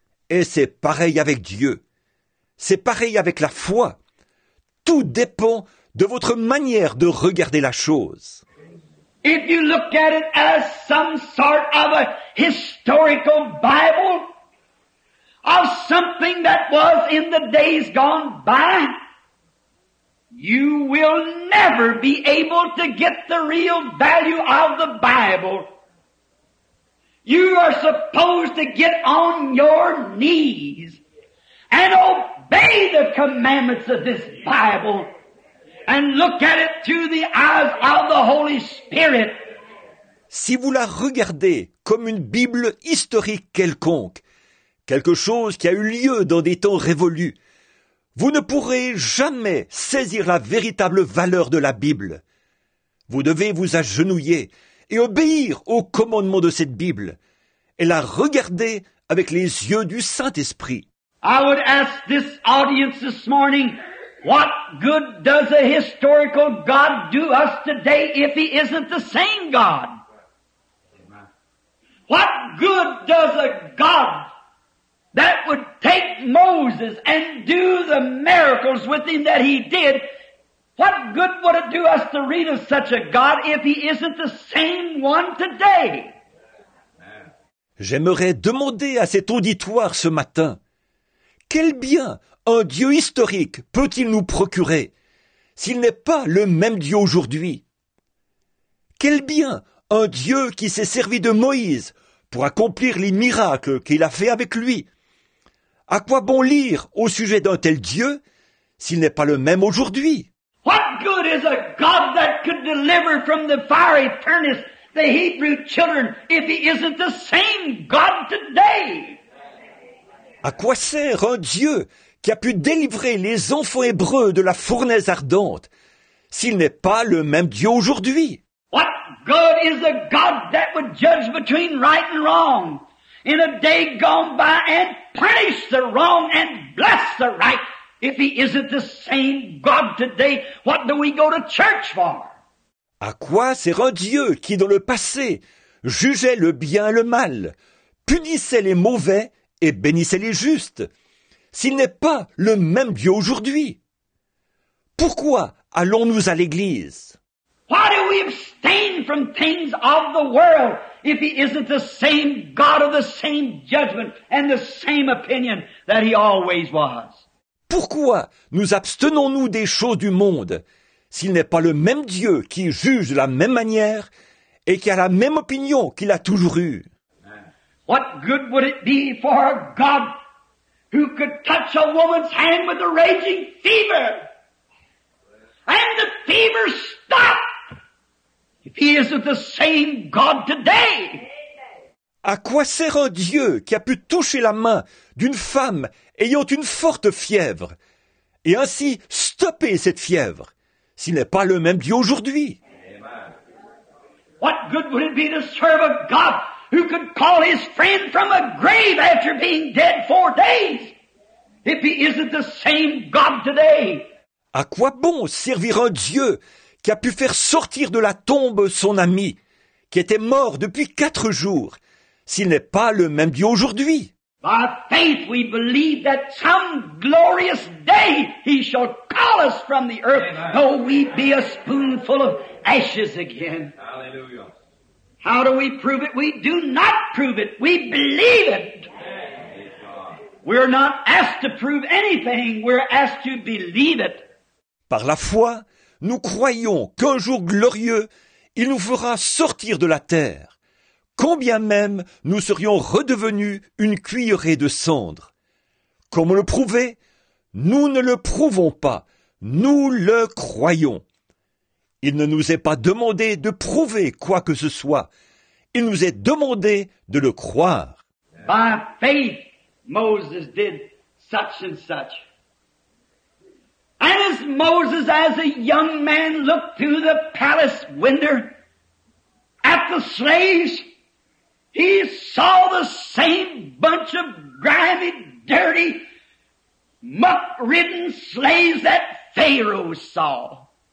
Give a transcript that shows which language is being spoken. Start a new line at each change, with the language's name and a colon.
French: Et c'est pareil avec Dieu. C'est pareil avec la foi. Tout dépend de votre manière de regarder la chose.
English: If you look at it as some sort of a historical Bible, of something that was in the days gone by, you will never be able to get the real value of the Bible. You are supposed to get on your knees and obey the commandments of this Bible and look at it through the eyes of the Holy Spirit.
French: Si vous la regardez comme une Bible historique quelconque, quelque chose qui a eu lieu dans des temps révolus, vous ne pourrez jamais saisir la véritable valeur de la Bible. Vous devez vous agenouiller et obéir au commandement de cette Bible et la regarder avec les yeux du Saint-Esprit.
English: I would ask this audience this morning, what good does a historical God do us today if he isn't the same God? What good does a God that would take Moses and do the miracles with him that he did, what good would it do us to read of such a God if he isn't the same one today?
French: J'aimerais demander à cet auditoire ce matin, quel bien un Dieu historique peut-il nous procurer s'il n'est pas le même Dieu aujourd'hui? Quel bien un Dieu qui s'est servi de Moïse pour accomplir les miracles qu'il a fait avec lui? À quoi bon lire au sujet d'un tel Dieu s'il n'est pas le même aujourd'hui?
English: What good is a God that could deliver from the fiery furnace the Hebrew children if he isn't the same God today?
French: À quoi sert un Dieu qui a pu délivrer les enfants hébreux de la fournaise ardente s'il n'est pas le même Dieu aujourd'hui?
English: What good is a God that would judge between right and wrong in a day gone by and punish the wrong and bless the right if he isn't the same God today? What do we go to church for?
French: À quoi sert un Dieu qui, dans le passé, jugeait le bien et le mal, punissait les mauvais et bénissait les justes, s'il n'est pas le même Dieu aujourd'hui? Pourquoi allons-nous à l'église?
English: Why do we abstain from things of the world if he isn't the same God of the same judgment and the same opinion that he always was?
French: Pourquoi nous abstenons-nous des choses du monde s'il n'est pas le même Dieu qui juge de la même manière et qui a la même opinion qu'il a toujours eue?
English: What good would it be for a God who could touch a woman's hand with a raging fever and the fever stop if he isn't the same God today?
French: À quoi sert un Dieu qui a pu toucher la main d'une femme ayant une forte fièvre et ainsi stopper cette fièvre s'il n'est pas le même Dieu aujourd'hui?
English: What good would it be to serve a God who could call his friend from a grave after being dead 4 days if he isn't the same God today?
French: À quoi bon servir un Dieu qui a pu faire sortir de la tombe son ami qui était mort depuis 4 jours s'il n'est pas le même Dieu aujourd'hui?
English: By faith we believe that some glorious day he shall call us from the earth, amen, though we be a spoonful of ashes again. Hallelujah. How do we prove it? We do not prove it. We believe it. Amen. We're not asked to prove anything. We're asked to believe it.
French: Par la foi, nous croyons qu'un jour glorieux, il nous fera sortir de la terre. Combien même nous serions redevenus une cuillerée de cendres. Comment le prouver? Nous ne le prouvons pas, nous le croyons. Il ne nous est pas demandé de prouver quoi que ce soit, il nous est demandé de le croire.
English: By faith, Moses did such and such. And as Moses, as a young man, looked through the palace window at the slaves, he saw the same bunch of grimy, dirty, muck-ridden slaves that Pharaoh saw.